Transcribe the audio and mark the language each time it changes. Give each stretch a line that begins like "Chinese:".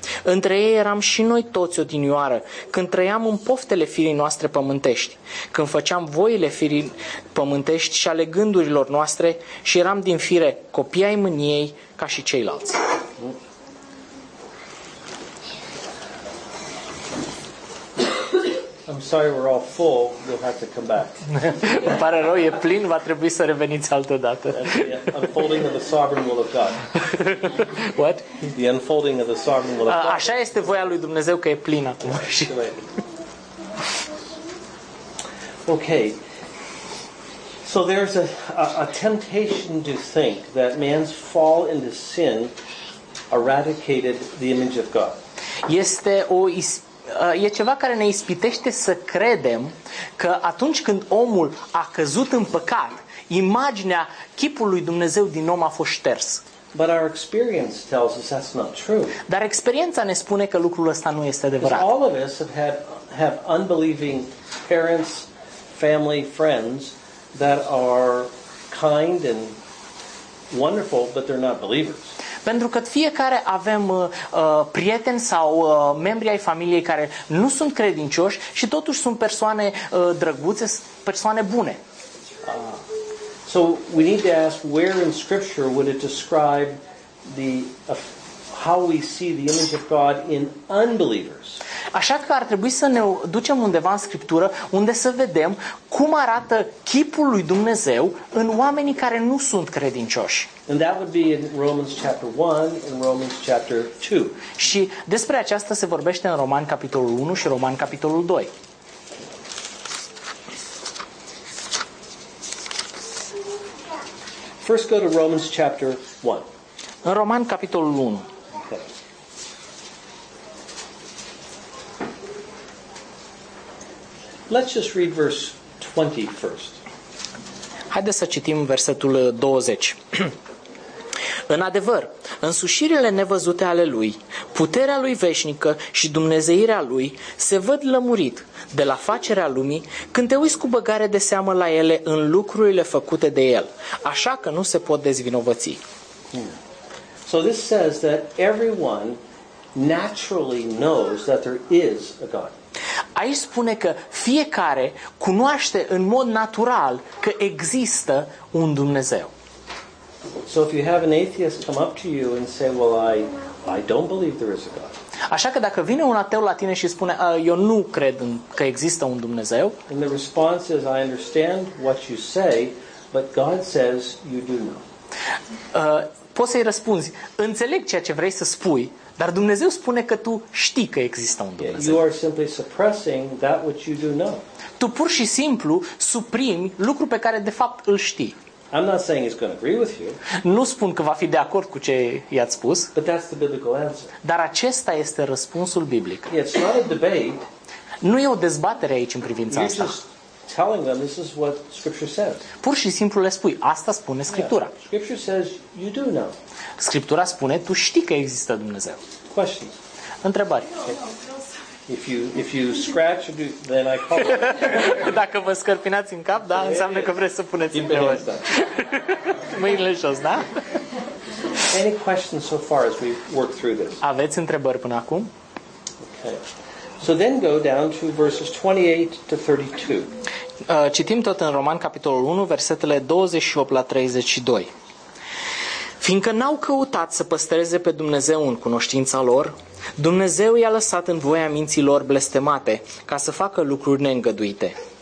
Romanian: Între ei eram și noi toți odinioară, când trăiam în poftele firii noastre pământești, când făceam voile firii pământești și ale gândurilor noastre și eram din fire copii ai mâniei ca și ceilalți.
English: I'm sorry, we're all full. You'll have to come back.
Romanian: Îmi pare rău, e plin, va trebui să reveniți altă dată.
English: The unfolding of the sovereign will of God. What? The unfolding of the sovereign will of God.
Romanian: Așa este voia lui Dumnezeu că e plin acum.
English: Okay. So there's a temptation to think that man's fall into sin eradicated the image of God.
Romanian: Este o e ceva care ne ispitește să credem că atunci când omul a căzut în păcat, imaginea chipului Dumnezeu din om a fost șters.
English: But our experience tells us that's not true.
Romanian: Dar experiența ne spune că lucrul ăsta nu este adevărat.
English: All of us have unbelieving parents, family, friends that are kind and wonderful, but they're not believers.
Romanian: Pentru că fiecare avem prieteni sau membri ai familiei care nu sunt credincioși și totuși sunt persoane drăguțe, persoane bune.
English: So we need to ask where in scripture would it describe the how we see the image of God in unbelievers.
Romanian: Așa că ar trebui să ne ducem undeva în scriptură unde să vedem cum arată chipul lui Dumnezeu în oamenii care nu sunt credincioși.
English: And that would be in Romans chapter 1 and Romans chapter 2.
Romanian: Și despre aceasta se vorbește în Roman capitolul 1 și Roman capitolul 2.
English: First go to Romans chapter 1.
Romanian: În Roman capitolul 1.
English: Okay. Let's just read verse 20 first.
Romanian: Haideți să citim versetul 20. În adevăr, însușirile nevăzute ale lui, puterea lui veșnică și dumnezeirea lui se văd lămurit de la facerea lumii când te uiți cu băgare de seamă la ele în lucrurile făcute de el, așa că nu se pot dezvinovăți.
English: So this says that everyone naturally knows that there is a God.
Romanian: Aici spune că fiecare cunoaște în mod natural că există un Dumnezeu.
English: So if you have an atheist come up to you and say, "Well, I don't believe there is a God."
Romanian: Așa că dacă vine un ateu la tine și spune, "Eu nu cred că există un Dumnezeu."
English: And the response is, "I understand what you say, but God says you do know."
Romanian: Poți să-i răspunzi, înțeleg ceea ce vrei să spui, dar Dumnezeu spune că tu știi că există un Dumnezeu.
English: You are simply suppressing that which you do know.
Romanian: Tu pur și simplu suprimi lucru pe care de fapt îl știi.
English: I'm not saying he's going to agree with you.
Romanian: Nu spun că va fi de acord cu ce i-ați spus.
English: But that's the biblical answer.
Romanian: Dar acesta este răspunsul biblic.
English: It's not a debate.
Romanian: Nu e o dezbatere aici în privința asta.
English: You're just telling them this is what scripture says.
Romanian: Pur și simplu le spui, asta spune Scriptura.
English: Yeah. Scripture says you do know.
Romanian: Scriptura spune tu știi că există Dumnezeu.
English: Questions.
Romanian: Întrebări.
English: If you scratch or do, then I call it.
Romanian: Dacă vă scărpinați în cap, da, înseamnă că vreți să puneți mâinile jos, da?
English: Any questions so far as we work through this?
Romanian: Aveți întrebări până acum?
English: Okay. So then go down to verses 28 to 32.
Romanian: Citim tot în Roman capitolul 1, versetele 28 la 32. Fiindcă n-au căutat să păstreze pe Dumnezeu în cunoștința lor, Dumnezeu i-a lăsat în voia minții lor blestemate ca să facă lucruri neîngăduite.